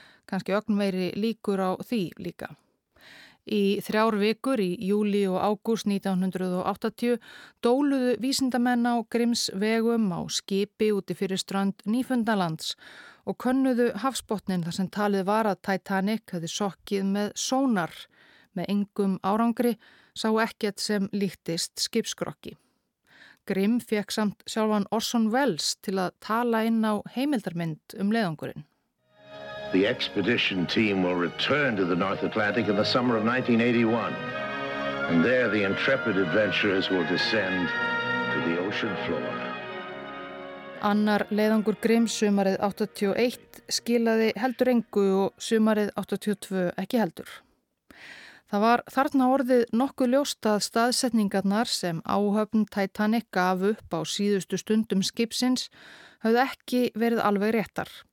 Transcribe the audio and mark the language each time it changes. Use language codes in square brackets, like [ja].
[is] Kannski ögn meiri líkur á því líka. Í þrjár vikur í júli og ágúst 1980 dóluðu vísindamenn á Grimms vegum á skipi úti fyrir strand Nýfundalands og könnuðu hafsbotnin þar sem talið var að Titanic hefði sokkið með sónar, með engum árangri, sá ekkert sem líktist skipskrokki. Grimm fekk samt sjálfan Orson Welles til að tala inn á heimildarmynd leiðangurinn. [en] The expedition team will return to the North Atlantic in the summer of 1981. And there the intrepid adventurers will descend to the ocean floor. [is] Annar leiðangur Grimm sumarið 81 skilaði heldur engu og sumarið 82 ekki heldur. Það var þarna orðið nokkuð ljóst að staðsetningarnar sem áhöfn Titanic gaf upp á síðustu stundum skipsins höfðu ekki verið alveg réttar.